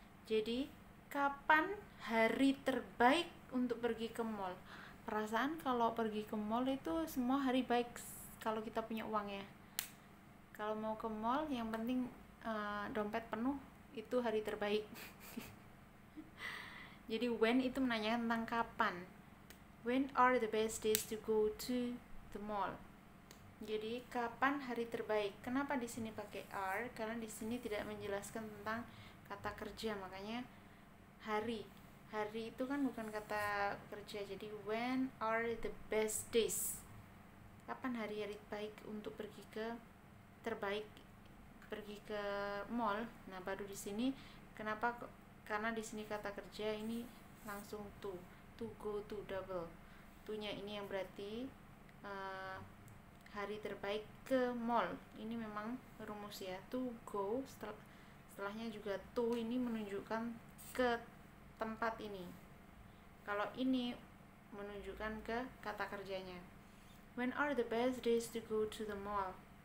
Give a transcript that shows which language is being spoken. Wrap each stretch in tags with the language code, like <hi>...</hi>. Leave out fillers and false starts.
<id>Jadi, kapan hari terbaik untuk pergi ke mall? Perasaan kalau pergi ke mall itu semua hari baik kalau kita punya uang ya. Kalau mau ke mall, yang penting dompet penuh, itu hari terbaik. Jadi, when itu menanyakan tentang kapan.</id> <en>When are the best days to go to the mall?</en> <id>Jadi kapan hari terbaik? Kenapa di sini pakai are? Karena di sini tidak menjelaskan tentang kata kerja, makanya hari. Hari itu kan bukan kata kerja. Jadi</id> <en>when are the best days?</en> <id>Kapan hari-hari baik untuk pergi ke mall? Nah, baru di sini kenapa? Karena di sini kata kerja ini langsung</id> <en>to go to double.</en> <id>To-nya ini yang berarti hari terbaik ke mall. Ini memang rumus ya, to go, setelahnya juga to, ini menunjukkan ke tempat ini. Kalau ini menunjukkan ke kata kerjanya.</id> <en>When are the best days to go to the mall?</en>